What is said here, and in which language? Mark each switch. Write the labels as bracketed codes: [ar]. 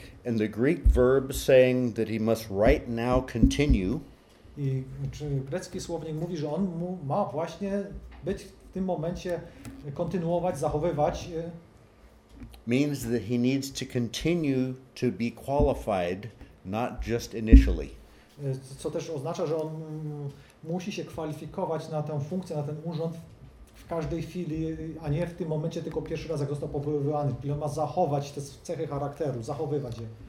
[en] And the Greek verb saying that he must right now continue. [pl] I grecki słownik mówi, że on ma właśnie być w tym momencie, kontynuować, zachowywać. [en] Means that he needs to continue to be qualified, not just initially. [pl] Co też oznacza, że on musi się kwalifikować na tę funkcję, na ten urząd w każdej chwili, a nie w tym momencie tylko pierwszy raz, jak został powoływany. I on ma zachować te cechy charakteru, zachowywać je.